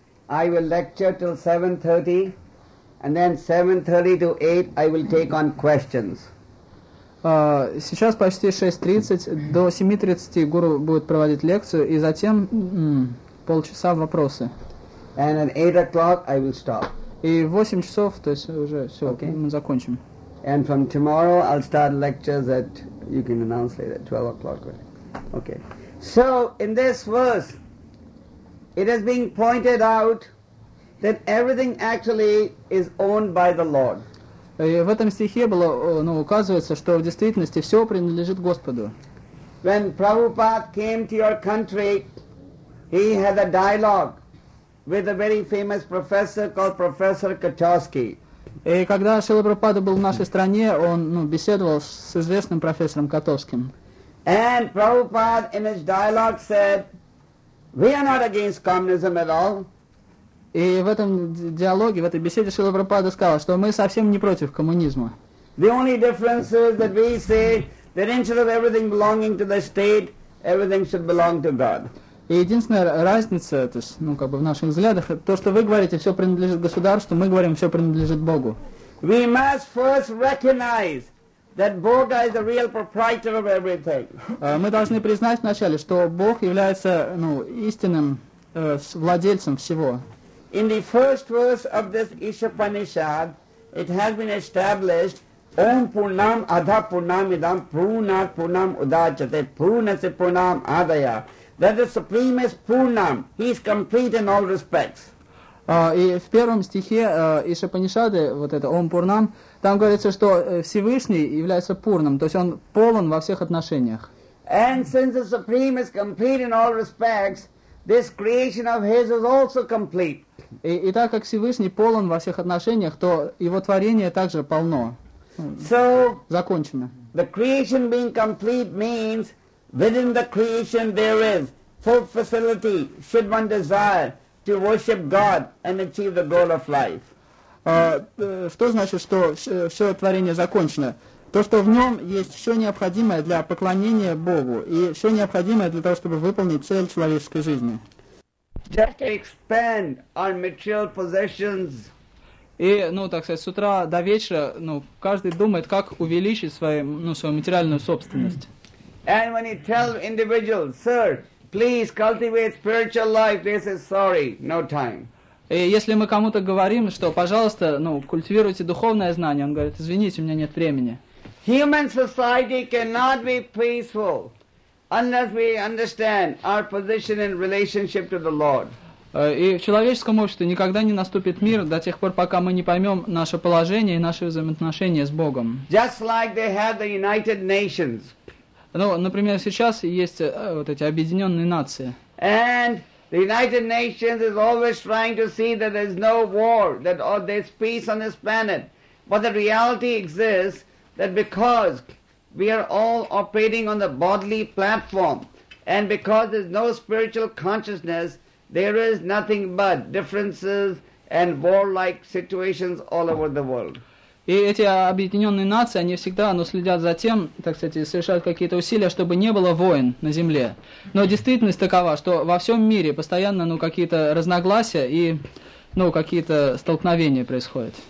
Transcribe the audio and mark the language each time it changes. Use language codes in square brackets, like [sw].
[en] I will lecture till 7:30, and then 7:30 to 8 I will take on questions. [ru] Сейчас почти 6:30, до 7:30 гуру будет проводить лекцию, и затем полчаса вопросы. [en] And at 8:00 I will stop. [ru] И в 8 часов, то есть уже все, okay. Мы закончим. [en] And from tomorrow I'll start lectures at, you can announce later, at 12:00. Okay. So, in this verse, it has been pointed out that everything actually is owned by the Lord. [ru] И в этом стихе было, ну, указывается, что в действительности все принадлежит Господу. [en] When Prabhupada came to your country, he had a dialogue with a very famous professor called Professor Kachowski. [ru] И когда Шрила Прабхупада был в нашей стране, он, ну, беседовал с известным профессором Котовским. [en] And Prabhupada in his dialogue said, we are not against communism at all. [ru] И в этом диалоге, в этой беседе Шрила Прабхупада сказал, что мы совсем не против коммунизма. [en] The only difference is that we say that instead of everything belonging to the state, everything should belong to God. [ru] И единственная разница, то есть, ну, как бы в наших взглядах, то, что вы говорите, все принадлежит государству, мы говорим, все принадлежит Богу. [en] We must first recognize that Boga is the real proprietor of everything. [ru] Мы должны признать вначале, что Бог является, ну, истинным владельцем всего. [en] In the first verse of this Ishapanishad, it has been established, [sa] Om Purnam Adha Purnam Idam Purnat Purnam Udachate Purnasi Purnam Adaya. [en] That the Supreme is Purnam. He is complete in all respects. [ru] И в первом стихе Ишапанишады, вот это Ом Пурнам, там говорится, что Всевышний является Пурнам, то есть он полон во всех отношениях. [en] And since the Supreme is complete in all respects, this creation of His is also complete. [ru] И так как Всевышний полон во всех отношениях, то Его творение также полно. [en] So, [ru] закончено. [en] The creation being complete means within the creation there is full facility should one desire to worship God and achieve the goal of life. [ru] Что значит, что все творение закончено? То, что в нем есть все необходимое для поклонения Богу и все необходимое для того, чтобы выполнить цель человеческой жизни. [en] Just expand on material possessions. [ru] И, ну, так сказать, с утра до вечера, ну, каждый думает, как увеличить свою, ну, свою материальную собственность. [en] And when he tells individuals, sir, please cultivate spiritual life, they say, sorry, no time. [ru] И если мы кому-то говорим, что, пожалуйста, ну, культивируйте духовное знание, он говорит, извините, у меня нет времени. [en] Human society cannot be peaceful unless we understand our position in relationship to the Lord. [ru] И в человеческом обществе никогда не наступит мир до тех пор, пока мы не поймем наше положение и наши взаимоотношения с Богом. [en] Just like they have the United Nations. [ru] Ну, например, сейчас есть вот эти Объединенные Нации. [en] And the United Nations is always trying to see that there's no war, that there's peace on this planet. But the reality exists that because we are all operating on the bodily platform and because there's no spiritual consciousness, there is nothing but differences and warlike situations all over the world. [ru] И эти объединенные нации, они всегда, ну, следят за тем, так сказать, совершают какие-то усилия, чтобы не было войн на земле. Но действительность такова, что во всем мире постоянно, ну, какие-то разногласия и, ну, какие-то столкновения происходят.